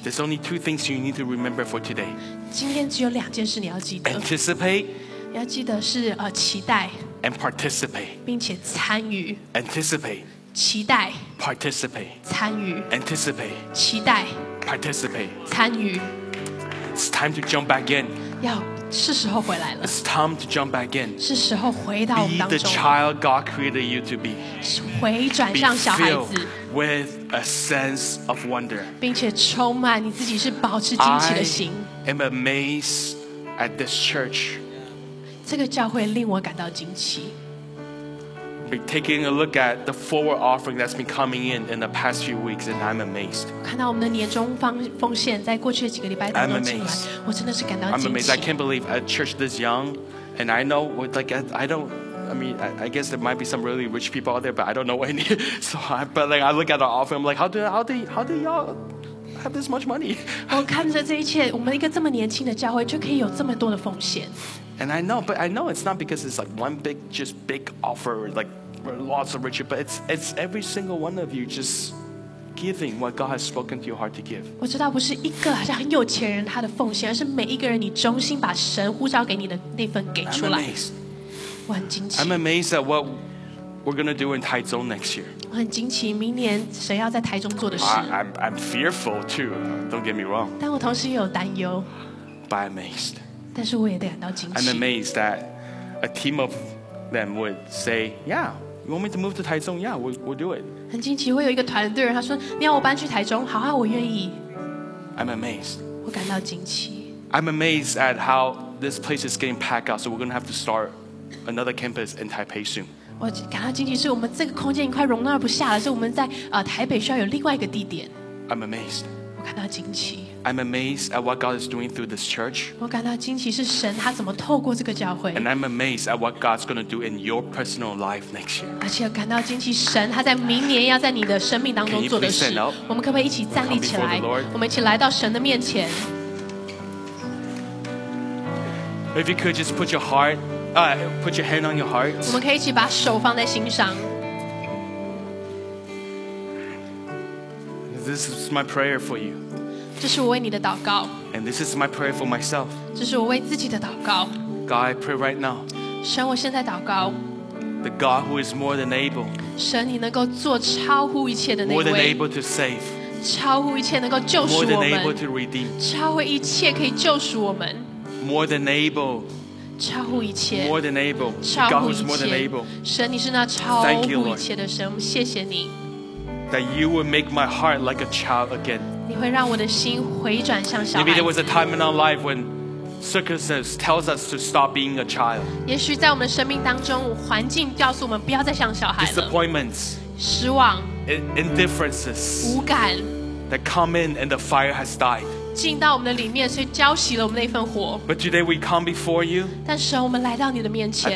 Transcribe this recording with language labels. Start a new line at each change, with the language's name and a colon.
English: There's only two things you need to remember for today.
Chinese: 今天只有两件事你要记得。
English: Anticipate.
Chinese: 要记得是期待。
English: And participate.
Chinese: 并且参与。
English: Anticipate.
Chinese: 期待。
English: Participate.
Chinese: 参与。
English: Anticipate.
Chinese: 期待。
English: Participate.
Chinese: 参与。
English: It's time to jump back in.
Chinese: 要是时候回来了。
English: It's time to jump back in.
Chinese: 是时候回到我们当中。
English: Be the child God created you to be.
Chinese: 回转向小孩子。
English: Be filled with a sense of wonder.
Chinese: 并且充满你自己是保持惊奇的心。
English: I am amazed at this church.
Chinese: 这个教会令我感到惊奇。
English: Be taking a look at the forward offering that's been coming in the past few weeks, and I'm amazed.
Chinese: 看到我们的年终奉献在过去的几个礼拜当中进来，我真的是感到惊奇。
English: I'm amazed. I can't believe a church this young, and I know, like, I don't. I mean, I guess there might be some really rich people out there, but I don't know any. So, but like, I look at the offering, I'm like, how do y'all? Have this much money.
Chinese: 我看着这一切，我们一个这么年轻的教会就可以有这么多的奉献。
English: And I know, but I know it's not because it's like one big, just big offer, like lots of riches. But it's every single one of you just giving what God has spoken to your heart to give.
Chinese: 我知道不是一个好像很有钱人他的奉献，而是每一个人你忠心把神呼召给你的那份给出来。
English: I'm amazed.
Chinese: 我很惊奇。
English: I'm amazed at what we're gonna do in Taizong next year.
Chinese: 我很惊奇，明年谁要在台中做的事
English: ？I'm fearful too. Don't get me wrong.
Chinese: 但我同时也有担忧。
English: But I'm amazed.
Chinese: 但是我也感到惊奇。
English: I'm amazed that a team of them would say, "Yeah, you want me to move to Taizong? Yeah, we'll do it."
Chinese: 很惊奇，会有一个团队人他说，你要我搬去台中？好啊，我愿意。
English: I'm amazed.
Chinese: 我感到惊奇。
English: I'm amazed at how this place is getting packed out. So we're gonna have to start another campus in Taipei soon.
Chinese: 我感到惊奇，是我们这个空间快容纳不下了，所以我们在台北需要有另外一个地点。
English: I'm amazed.
Chinese: 我感到惊奇。
English: I'm amazed at what God is doing through this church.
Chinese: 我感到惊奇，是神他怎么透过这个教会。
English: And I'm amazed at what God's going to do in your personal life next year.
Chinese: 而且感到惊奇，神他在明年要在你的生命当中做的事。
English: Can you please stand up?
Chinese: 我们可不可以一起站立起来？我们一起来到神的面前。
English: If you could just put your heart, put your hand on your heart.
Chinese: 我们可以一起把手放在心上。
English: This is my prayer for you.
Chinese: 这是我为你的祷告。
English: And this is my prayer for myself.
Chinese: 这是我为自己的祷告。
English: God, I pray right now.
Chinese: 神，我现在祷告。
English: The God who is more than able.
Chinese: 神，你能够做超乎一切的那位。
English: More than able to save.
Chinese: 超乎一切能够救赎我们。
English: More than able to redeem.
Chinese: 超乎一切可以救赎我们。
English: More than able.
Chinese: 超乎一切。
English: More than able.
Chinese: 超乎一切。
English: God who's more than able.
Chinese: 神，你是那超乎一切的神。谢谢你。
English: That you would make my heart like a child again.
Chinese: 你会让我的心回转向小孩子。
English: Maybe there was a time in our life when circumstances tells us to stop being a child.
Chinese: 也许在我们生命当中，环境告诉我们不要再像小孩了。
English: Disappointments.
Chinese: 失望。
English: Indifferences.
Chinese: 无感。
English: That come in and the fire has died.
Chinese: 进到我们的里面，所以浇熄了我们那份火。
English: But today we come before you.
Chinese: 但神，我们来到你的面前。